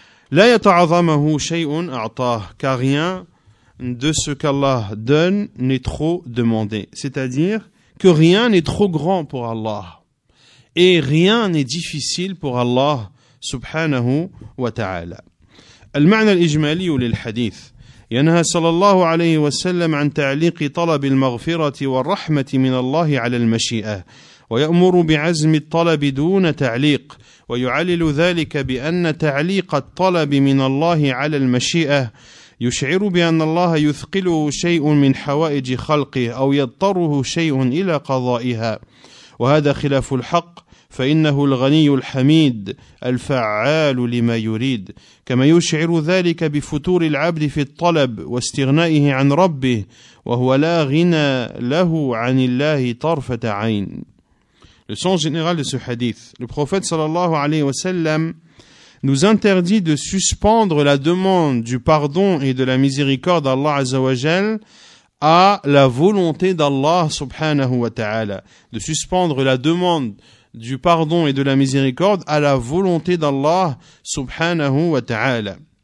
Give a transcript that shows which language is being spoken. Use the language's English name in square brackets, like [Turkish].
[Arabic] La yata'azamahu shay'un a'tah, [French] car rien de ce qu'Allah donne n'est trop demandé. C'est-à-dire que rien n'est trop grand pour Allah. Et rien n'est difficile pour Allah subhanahu wa ta'ala. [Arabic] المعنى الإجمالي للحديث ينهى صلى الله عليه وسلم عن تعليق طلب المغفرة والرحمة من الله على المشيئة ويأمر بعزم الطلب دون تعليق ويعلل ذلك بأن تعليق الطلب من الله على المشيئة يشعر بأن الله يثقله شيء من حوائج خلقه أو يضطره شيء إلى قضائها وهذا خلاف الحق فإنه الغني الحميد الفعال لما يريد كما يشعر ذلك بفتور العبد في الطلب واستغنائه عن ربه وهو لا غنى له عن الله طرفة عين. [French] Le sens général de ce hadith, le prophète sallallahu alayhi wa sallam nous interdit de suspendre la demande du pardon et de la miséricorde d'Allah Azza wa Jal à la volonté d'Allah subhanahu wa ta'ala, de suspendre la demande du pardon et de la miséricorde à la volonté d'Allah subhanahu wa ta'ala.